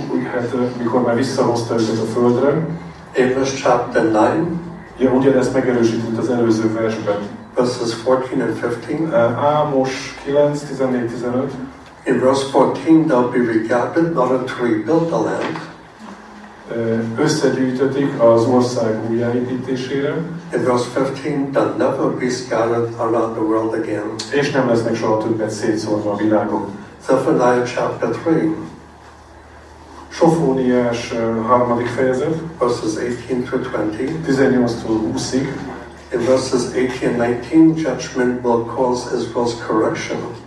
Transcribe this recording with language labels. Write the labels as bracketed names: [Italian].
[Hungarian] Hát, mikor már visszahozta őket a földre. [English] Amos chapter 9. [Hungarian] Ja, ugyanezt megerősített az előző versben. [English] Verses 14 and 15. [Hungarian] Amos 9, 14-15. [English] In verse 14, they'll be regathered in order to rebuild the land. [Hungarian] Összegyűjtötik az ország újjáépítésére. [English] In verse 15, they'll never be scattered around the world again. [Hungarian] És nem lesznek soha többet szétszórva a világon. [English] Zephaniah chapter 3. [Hungarian] Sofóniás harmadik fejezet. [English] Verses 18-20. [Hungarian] 18-től 20-ig. [English] In verses 18-19, judgment will cause Israel's correction.